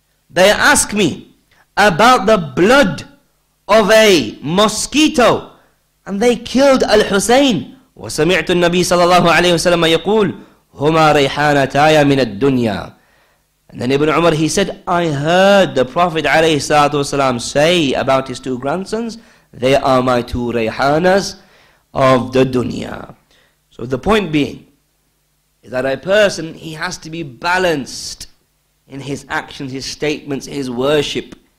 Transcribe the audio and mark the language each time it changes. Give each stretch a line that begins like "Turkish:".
English: They ask me about the blood of a mosquito and they killed Al-Husayn.
Arabic: وسمعت النبي صلى الله عليه وسلم يقول هما ريحانتايا من الدنيا.
English: And then Ibn Umar, he said, I heard the Prophet ﷺ say about his two grandsons, they are my two rayhanas of the dunya. So the point being, is that a person, he has to be balanced in his actions, his statements, his worship.